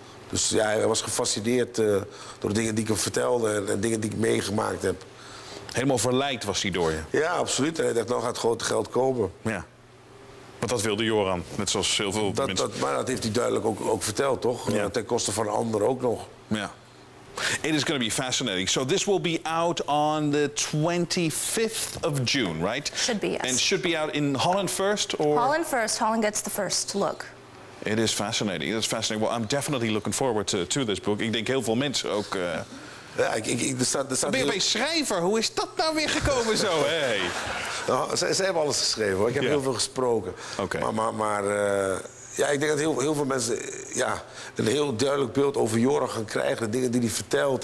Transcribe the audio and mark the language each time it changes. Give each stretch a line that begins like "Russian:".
Dutch: Dus ja, hij was gefascineerd door de dingen die ik hem vertelde en dingen die ik meegemaakt heb. Helemaal verleid was hij door je? Ja, absoluut. En hij dacht, nou gaat groot geld komen. Ja. Want dat wilde Joran, net zoals heel veel mensen. Maar dat heeft hij duidelijk ook verteld, toch? Ja. Ten koste van anderen ook nog. Ja.
English: It is going to be fascinating. So this will be out on the 25th of June, right? Should be, yes. And should be out in Holland first? Or? Holland first. Holland gets the first look. It is fascinating. It is fascinating. Well, I'm definitely looking forward to this book.
Dutch: Ik denk heel veel mensen ook. Ja, er staat ben je bij schrijver? Hoe is dat nou weer gekomen zo?
English: Hey.
Dutch: Nou, ze hebben alles geschreven hoor. Ik heb heel veel gesproken.
English: Okay.
Dutch: Maar ik denk dat heel veel mensen een heel duidelijk beeld over Joran gaan krijgen. De dingen die hij vertelt.